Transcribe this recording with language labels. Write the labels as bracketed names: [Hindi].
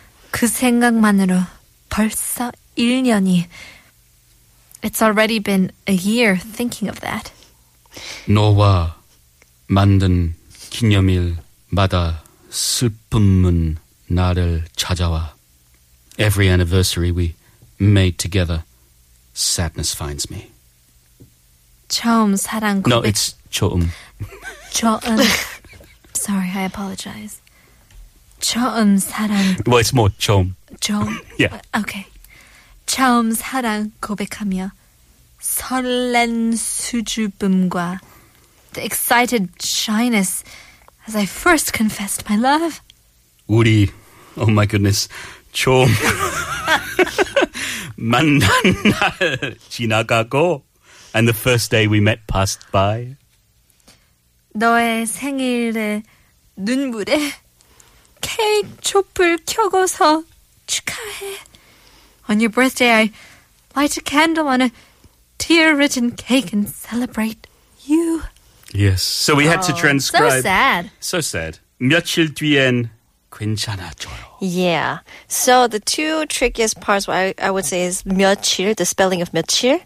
[Korean] 그 생각만으로 벌써 1년이. [English] It's already been a year thinking of that. [Korean] 너와 만든 기념일마다 슬픔은 나를 찾아와. [English] Every anniversary we made together, sadness finds me. [Korean] 처음 사랑 고백. [English] No, it's 처음. [Korean] 처음. [English] Sorry, I apologize. [Korean] 처음 사랑. [English] Well, it's more 처음. [Korean] 처음? [English] Yeah. Okay. [Korean] 처음 사랑 고백하며 설렌 수줍음과 [English] the excited shyness as I first confessed my love. [Korean] 우리, [English] oh my goodness, [Korean] 처음 만난 날 지나가고 [English] and the first day we met passed by. [Korean] 너의 생일에 눈물에 케이크 촛불 켜고서 축하해. [English] On your birthday, I light a candle on a tear-ridden cake and celebrate you. Yes, so we had to transcribe. So sad. So sad. [Korean] 며칠 뒤엔 괜찮아져요. [English] Yeah, so the two trickiest parts, I would say, is 며칠, the spelling of 며칠.